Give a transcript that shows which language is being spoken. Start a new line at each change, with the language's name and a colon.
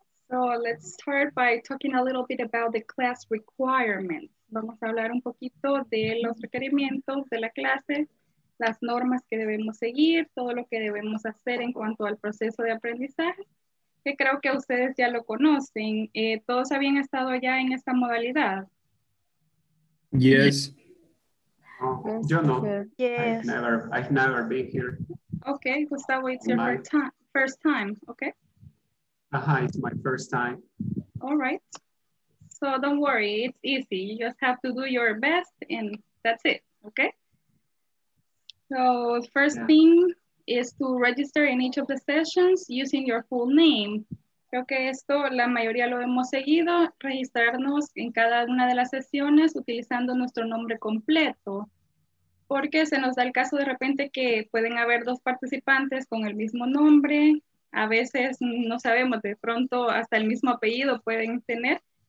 English: So let's start by talking a little bit about the class requirements.
Spanish: Vamos a hablar un poquito de los requerimientos de la clase, las normas que debemos seguir, todo lo que debemos hacer en cuanto al proceso de aprendizaje, que creo que ustedes ya lo conocen. ¿Todos habían estado ya en esta modalidad?
English: Yes.
Spanish: Yo no.
English: Yes. I've never been here. Okay, Gustavo, it's your first time, okay? It's my first time. All right. So don't worry, it's easy. You just have to do your best and that's it, okay? So first thing is to register in each of the sessions using your full name.
Spanish: Creo que esto la mayoría lo hemos seguido, registrarnos en cada una de las sesiones utilizando nuestro nombre completo. Porque se nos da el caso de repente que pueden haber dos participantes con el mismo nombre. A veces no sabemos, de pronto hasta el mismo apellido pueden tener.